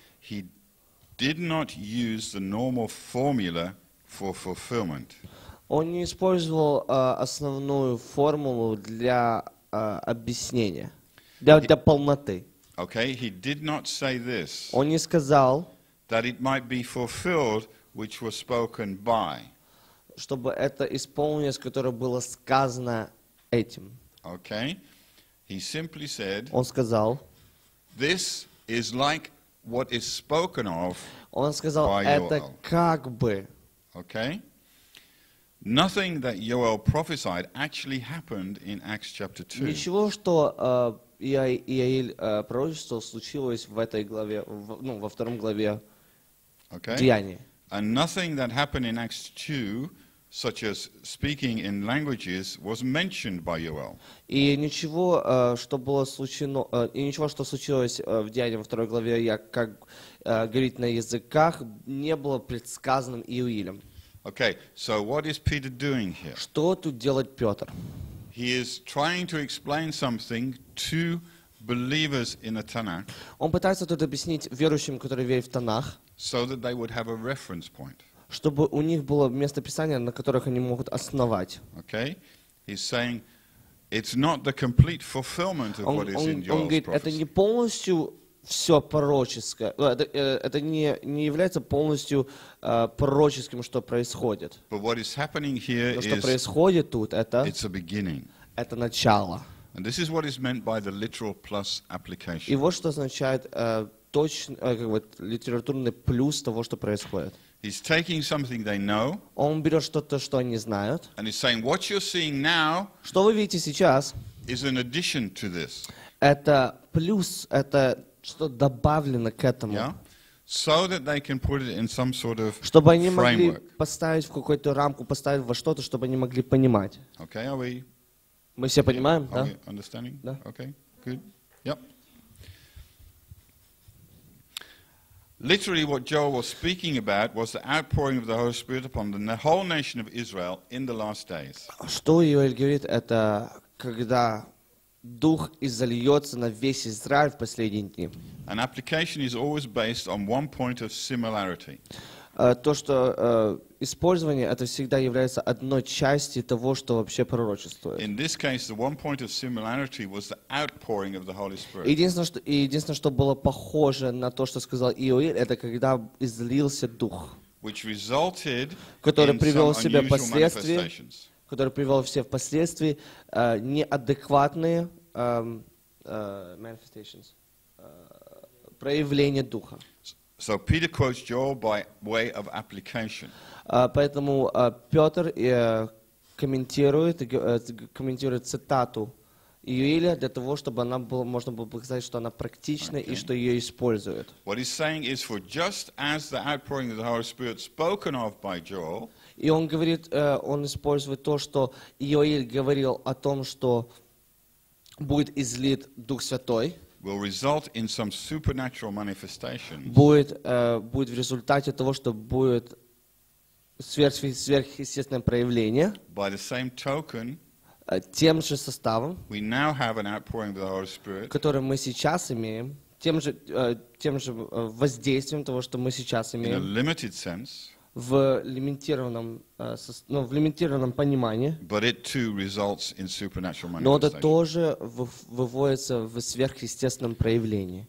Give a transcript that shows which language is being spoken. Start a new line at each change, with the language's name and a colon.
English: He did not use the normal formula for fulfillment.
Russian: Он не использовал основную формулу для объяснения, для полноты.
English: Okay, he did not say this.
Russian: Он не сказал,
English: that it might be fulfilled, which was spoken by.
Russian: Чтобы это исполнилось, которое было сказано этим.
English: Okay, he simply said.
Russian: Он сказал,
English: this is like what is spoken of.
Russian: Он сказал, это как бы.
English: Okay. Nothing that Joel prophesied actually happened in Acts chapter 2.
Russian: Ничего, что Иоиль пророчествовал, случилось в этой главе, во втором главе Деяний.
English: And nothing that happened in Acts 2, such as speaking in languages, was mentioned by Joel.
Russian: И ничего, что было случено, и ничего, что случилось в Деяниях во второй главе, как говорить на языках, не было предсказанным Иоилем.
English: Okay, so what is Peter doing here?
Russian: Что тут делает Петр?
English: He is trying to explain something to believers in the Tanakh.
Russian: Он пытается тут объяснить верующим, которые верят в Танах.
English: So that they would have a reference point.
Russian: Чтобы у них было место писания, на которых они могут основать.
English: Okay, he's saying it's not the complete fulfillment of what is in Joel's prophecy.
Russian: Он говорит, это не полностью все пророческое, это не является полностью пророческим, что происходит.
English: But what is happening here is,
Russian: что происходит тут,
English: it's a beginning.
Russian: Это начало.
English: And this is what is meant by the literal plus application.
Russian: И вот что означает литературный плюс того, что происходит.
English: He's taking something they know.
Russian: Он берет что-то, что они знают.
English: And he's saying, what you're seeing now.
Russian: Что вы видите сейчас?
English: Is an addition to this.
Russian: Это плюс, это что добавлено к этому.
English: Yeah? So that they can put it in some sort of framework.
Russian: Чтобы они могли поставить в какую-то рамку, поставить во что-то, чтобы они могли понимать.
English: Okay, are we?
Russian: Мы все понимаем, да?
English: Understanding?
Russian: Да.
English: Okay, good. Yep. Literally, what Joel was speaking about was the outpouring of the Holy Spirit upon the whole nation of Israel in the last days.
Russian: Что Иоэль говорит, это когда Дух изольется на весь Израиль в последние дни.
English: An application is always based on one point of similarity.
Russian: То, что использование, это всегда является одной части того, что вообще пророчествует.
English: In this case, the one point of similarity was the outpouring of the Holy Spirit.
Russian: Единственное, что было похоже на то, что сказал Иоэль, это когда излился Дух,
English: which resulted
Russian: который привел
English: in some unusual manifestations.
Russian: Который привел все впоследствии неадекватные manifestations, проявления Духа.
English: So Peter quotes Joel by way of application.
Russian: Поэтому Петр комментирует цитату Иоэля для того, чтобы она была, можно было показать, что она практична, okay. И что ее используют.
English: What he's saying is, for just as the outpouring of the Holy Spirit spoken of by Joel.
Russian: И он говорит, он использует то, что Иоэль говорил о том, что будет излит Дух Святой.
English: Will result in some supernatural manifestation.
Russian: Будет в результате того, что будет сверхъестественное проявление.
English: By the same token,
Russian: тем же составом,
English: we now have an outpouring of the Holy Spirit,
Russian: который мы сейчас имеем, тем же воздействием того, что мы сейчас имеем.
English: In a limited sense.
Russian: В лимитированном понимании.
English: But it too results in supernatural manifestation.
Russian: Но это тоже выводится в сверхъестественном проявлении.